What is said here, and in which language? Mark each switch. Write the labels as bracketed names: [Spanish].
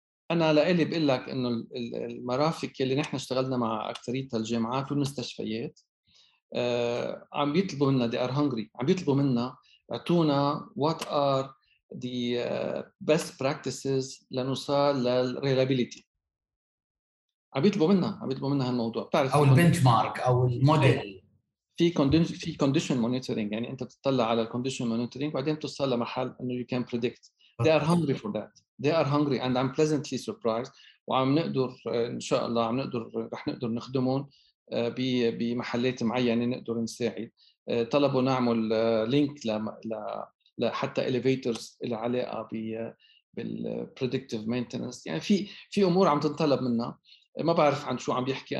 [Arabic] أنا لقلي بقول لك إنه المرافق اللي نحن اشتغلنا مع أكثرية الجامعات والمستشفيات عم بيطلبوا منا [English] they are hungry، [Arabic] عم بيطلبوا منا اعطونا [English] what are the best practices [Arabic] لنوصل لل [English] reliability. [Arabic] عم بيطلبوا منا، عم بيطلبوا منا هالموضوع. بتعرف أو البنشمارك أو الموديل. في [English] condition monitoring، [Arabic] يعني أنت تطلع على condition monitoring بعدين توصل لمحل إنه [English] you can predict. They are hungry for that. They are hungry and I'm pleasantly surprised. [Arabic] وعم نقدر إن شاء الله عم نقدر رح نقدر نخدمهم بمحلات معينة نقدر نساعد. طلبوا نعمل لينك لحتى [English] elevators [Arabic] اللي علاقة بال [English] predictive maintenance. [Arabic] يعني في أمور عم تنطلب منا. ما بعرف عن شو عم بيحكي.